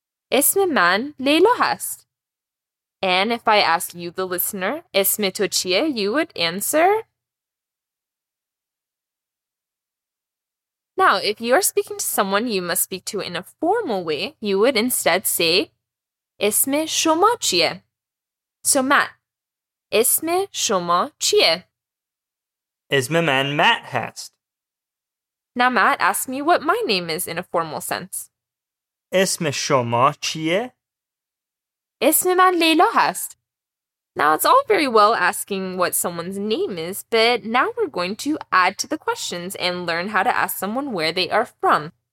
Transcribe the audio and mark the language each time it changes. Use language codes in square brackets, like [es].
[fa] Esme man Leila hast. [en] And if I ask you, the listener, [fa] Esme to chie, [en] you would answer. Now, if you are speaking to someone you must speak to in a formal way, you would instead say, [fa] اسم شما چیه؟ [en] So [fa] Matt, اسم شما چیه؟ اسم من Matt هست. [en] Now Matt, ask me what my name is in a formal sense. [fa] اسم شما چیه؟ اسم من لیلا هست. [en] Now it's all very well asking what someone's name is, but now we're going to add to the questions and learn how to ask someone where they are from.